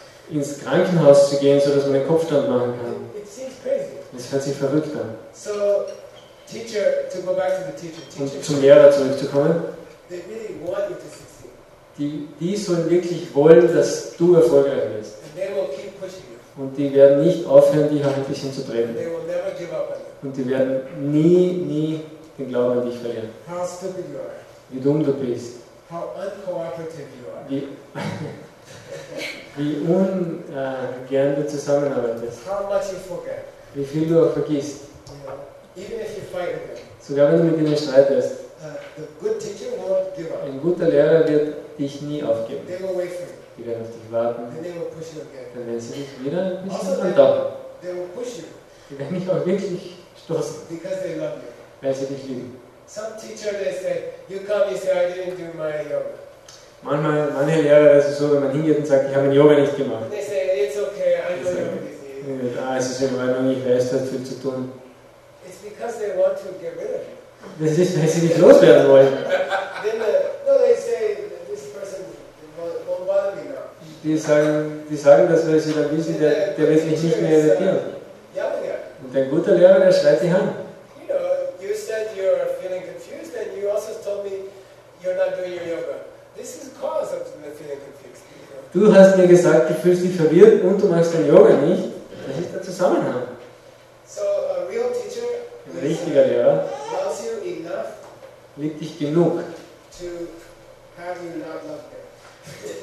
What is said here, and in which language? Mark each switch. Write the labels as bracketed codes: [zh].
[de] Ins Krankenhaus zu gehen, sodass man einen Kopfstand machen kann. [en] It seems crazy. [de] Das hört sich verrückt an. [en] So, teacher, to go back to the teacher. [de] Und zum Lehrer zurückzukommen. [en] They really want you to succeed. [de] Die sollen wirklich wollen, dass du erfolgreich bist. [en] And they will keep pushing you. [de] Und die werden nicht aufhören, dich auch ein bisschen zu treten. [en] They will never give up on you. [de] Und die werden nie den Glauben an dich verlieren. [en] How stupid you are. [de] Wie dumm du bist. [en] How uncooperative you are. [de] Wie ungern du zusammenarbeitest. [en] How much you forget. [de] Wie viel du auch vergisst. [en] Yeah. Even if you fight with them. [de] Sogar wenn du mit ihnen streitest. [en] The good teacher won't give up. [de] Ein guter Lehrer wird dich nie aufgeben. [en] They will wait for you. [de] Die werden auf dich warten. [en] And they will push you again. [de] Dann werden sie dich wieder ein bisschen andauern. [en] They will push you. [de] Die werden dich auch wirklich stoßen. [en] Because they love you. [de] Weil sie dich lieben. [en] Some teacher, they say, you come, you say, I didn't do my yoga. [de] Manche Lehrer, das ist so, wenn man hingeht und sagt, ich habe ein Yoga nicht gemacht. [en] They say, it's okay, I'm going to be busy. [de] Es ist in Ordnung, ich weiß, das hat viel zu tun. [en] It's because they want to get rid of you. [de] Das ist, weil sie nicht loswerden wollen. [en] No, they say, this person won't bother me now. [de] Die sagen das, weil sie dann wissen, der wird mich nicht mehr irritieren. [en] Yeah. [de] Und ein guter Lehrer, der schreit sich an. [en] You know, you said you're feeling confused and you also told me you're not doing your yoga. This is cause of the feeling confused. [de] Du hast mir gesagt, du fühlst dich verwirrt und du machst dein Yoga nicht. Das ist der Zusammenhang. [en] So, a real teacher, [de] ein richtiger Lehrer [en] loves you enough, [de] liebt dich genug, [en] to have you not love him.